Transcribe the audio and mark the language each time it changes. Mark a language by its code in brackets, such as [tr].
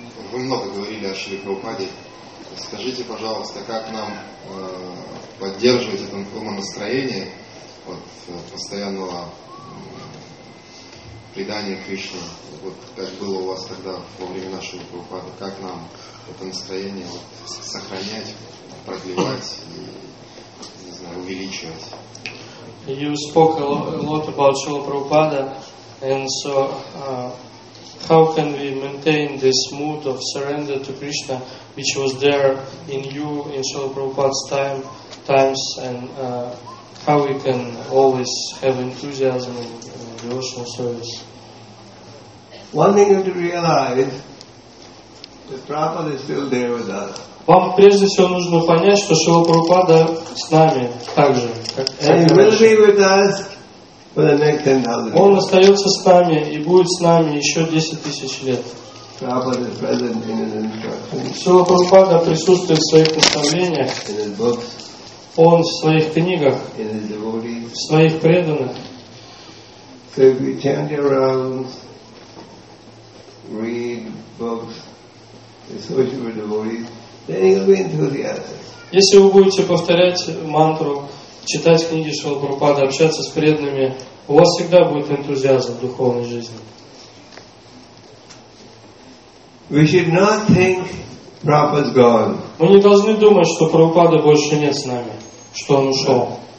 [ru] Вы много говорили о Шри Прабхупаде. Скажите, пожалуйста, как нам поддерживать это умонастроение от постоянного предание Кришне, вот как было у вас тогда во время нашего Прабхупады, как нам это настроение вот, сохранять, продлевать и, не знаю, увеличивать? [en] You spoke a lot about Srila Prabhupada, and so how can we maintain this mood of surrender to Krishna, which was there in you in Srila Prabhupada's times, and how we can always have enthusiasm in devotional service? One thing you have to realize that Prabhupada is still there with us. [ru] Вам прежде всего нужно понять, что Шрила Прабхупада с нами также. [en] And he will be with us for the next 10,000 [ru] years. Он остается с нами и будет с нами еще 10,000 лет. [en] Prabhupada is present in his instructions. [ru] Шрила Прабхупада присутствует в своих наставлениях. [en] In his books. [ru] Он в своих книгах. [en] In his devotees. [ru] В своих преданных. [en] So if we chant your rounds, read books, associate with devotees, then you'll be enthusiastic. [ru] Если вы будете повторять мантру, читать книги Шрилы Прабхупады, общаться с преданными, у вас всегда будет энтузиазм в духовной жизни. [en] We should not think Prabhupada's gone. [ru] Мы не должны думать, что Прабхупада больше нет с нами, что он ушел.